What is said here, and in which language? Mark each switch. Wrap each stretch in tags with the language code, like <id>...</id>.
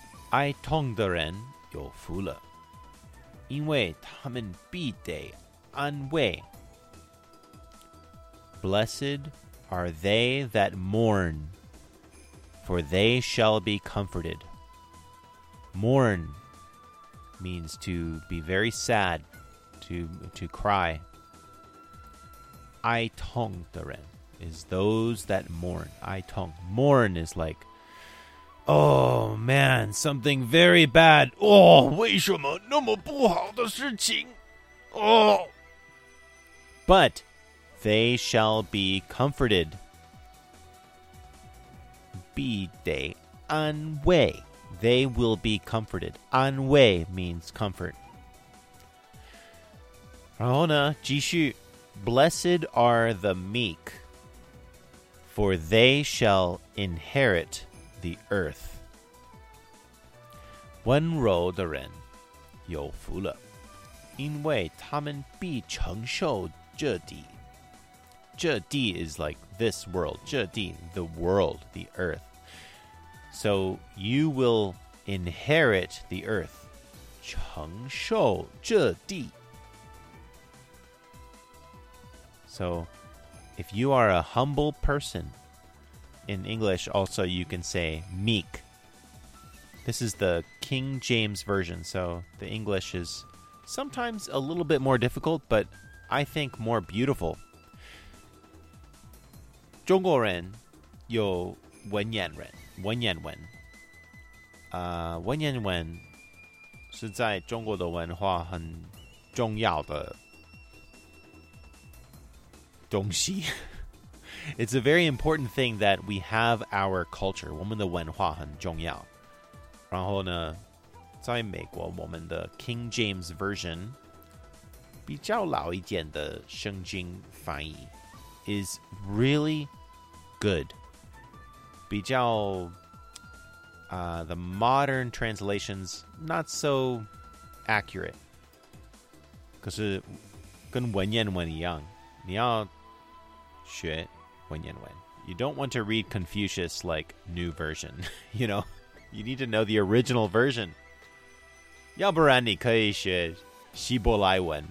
<zh>爱痛的人有福了，因为他们必得安慰。</zh> <en>Blessed are they that mourn, for they shall be comforted. Mourn means to be very sad, to cry.</en> <zh>哀痛的人</zh> <en>is those that mourn. 哀痛 mourn is like, oh man, something very bad.</en> <zh>Oh, 为什么那么不好的事情 Oh, but.</zh> <en>They shall be comforted.</en> <zh>必得安慰.</zh> <en>They will be comforted. 安慰 means comfort.</en> <zh>然后呢,继续.</zh> <en>Blessed are the meek, for they shall inherit the earth.</en> <zh>温柔的人有福了,因为他们必承受这地。这地</zh> <en>is like this world. 这地 the world, the earth. So you will inherit the earth.</en> <zh>承受这地.</zh> <en>So if you are a humble person, in English also you can say meek. This is the King James version, so the English is sometimes a little bit more difficult, but I think more beautiful.</en> <zh>中国人有文言文，文言文。文言文是在中国的文化很重要的东西。</zh> <en>It's a very important thing that we have our culture.</en> <zh>我们的文化很重要。然后呢，在美国，我们的 King James Version 比较老一点的圣经翻译</zh> <en>is really. Good.</en> <zh>比较</zh> <en>the modern translations not so accurate.</en> <zh>可是跟文言文一样，你要学文言文。</zh> <en>You don't want to read Confucius like new version. You know, you need to know the original version.</en> <zh>要不然你可以学希伯来文。</zh>